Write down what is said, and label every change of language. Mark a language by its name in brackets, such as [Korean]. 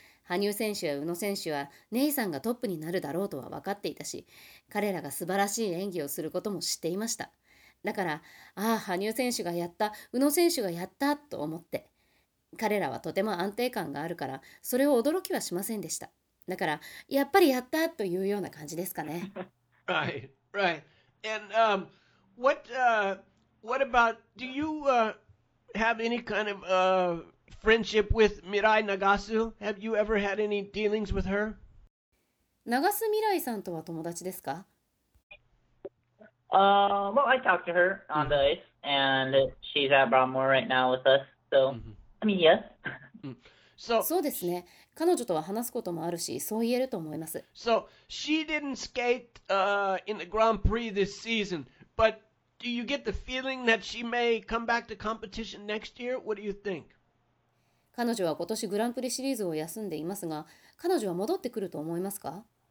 [Japanese] 羽生選手や宇野選手はネイさんがトップになるだろうとは分かっていたし、彼らが素晴らしい演技をすることも知っていました。だから、ああ、羽生選手がやった、宇野選手がやったと思って。彼らはとても安定感があるから、それを驚きはしませんでした。だから、やっぱりやったというような感じですかね。 [English] Right, right. And what about, do you have any kind of friendship with Mirai Nagasu? Have you ever had any dealings with her? [Japanese] 長須未来さんとは友達ですか？ [English] Well, I talked to her on the ice, and she's at Broadmoor right now with us, so, I mean, yes. [Japanese] そうですね。彼女とは話すこともあるし、そう言えると思います。 [English] So, she didn't skate in the Grand Prix this season, but do you get the feeling that she may come back to competition next year? What do you think? [Japanese] 彼女は今年グランプリシリーズを休んでいますが、彼女は戻ってくると思いますか？